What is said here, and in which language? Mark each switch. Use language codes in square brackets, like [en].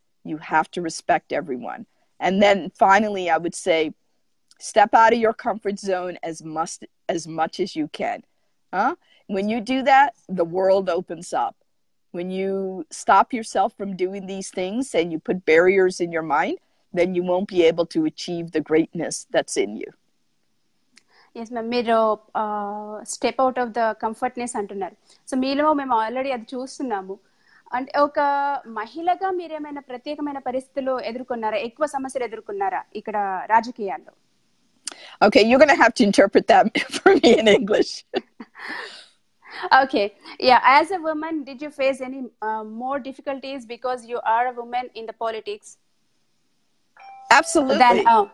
[en] You have to respect everyone. And then finally, I would say, step out of your comfort zone as much as you can. Huh? When you do that, the world opens up. When you stop yourself from doing these things and you put barriers in your mind, then you won't be able to achieve the greatness that's in you. Yes, ma'am. [te] మీరు [en] step out of the comfortness [te] అంటున్నారు. So మీలో మేము already అది చూస్తున్నాము. అంటే ఒక మహిళగా మీరు ఏమైనా ప్రత్యేకమైన పరిస్థితులు ఎదుర్కొన్నారా? ఎక్కువ సమస్యలు ఎదుర్కొన్నారా ఇక్కడ రాజకీయాల్లో? [en] Okay, you're going to have to interpret that for me in English. Okay, yeah, as a woman, did you face any more difficulties because you are a woman in the politics? Absolutely.